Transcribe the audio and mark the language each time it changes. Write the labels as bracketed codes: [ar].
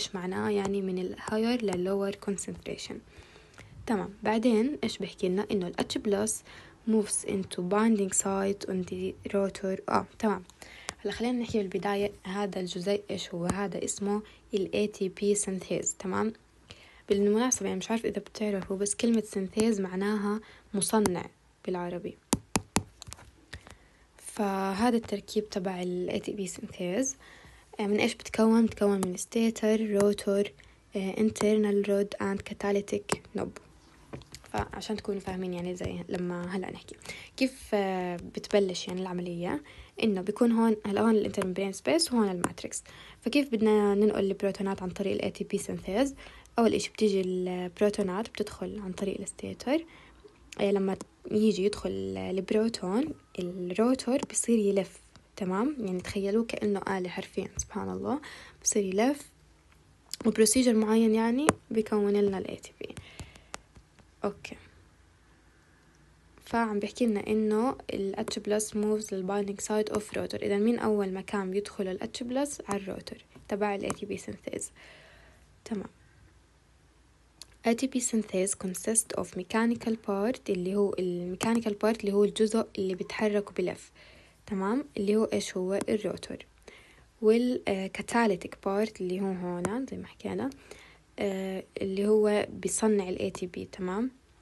[ar] إيش معناه؟ يعني من الـ higher للـ lower concentration. تمام، بعدين إيش بحكي لنا؟ إنه الـ [en] H plus moves into binding site on the rotor. [ar] تمام، هلا خلينا نحكي بالبداية هذا الجزيء إيش هو. هذا اسمه الـ ATP synthase. تمام، بالمناسبة يعني مش عارف إذا بتعرفوا، بس كلمة synthase معناها مصنع بالعربي، فهذا التركيب تبع الـ ATP synthase. من إيش بتكون؟ بتكون من [en] stator, rotor, internal rod and catalytic knob. [ar] فعشان تكونوا فاهمين يعني زي لما هلأ نحكي كيف بتبلش يعني العملية، إنه بيكون هون هلأ الـ intermembrane space وهون الـ matrix. فكيف بدنا ننقل البروتونات عن طريق الـ ATP synthase؟ أول إيش بتيجي البروتونات بتدخل عن طريق الـ stator. لما يجي يدخل البروتون الروتور بصير يلف. تمام، يعني تخيلوا كأنه آلة حرفياً، سبحان الله، بصير يلف وبروسيجر معين يعني بيكون لنا الـ ATP. أوكي، فعم بيحكي لنا إنه الـ [en] H plus moves the binding side of rotor. [ar] إذن مين أول مكان بيدخل الـ H plus؟ على الروتور تبع الـ ATP synthase. تمام، [en] ATP synthase consists of mechanical part [ar] اللي هو الميكانيكال بارت اللي هو الجزء اللي بيتحرك وبلف. تمام، اللي هو ايش هو؟ الروتور. والكاتاليتيك بارت اللي هو هون زي ما حكينا اللي هو بيصنع الـ ATP. تمام،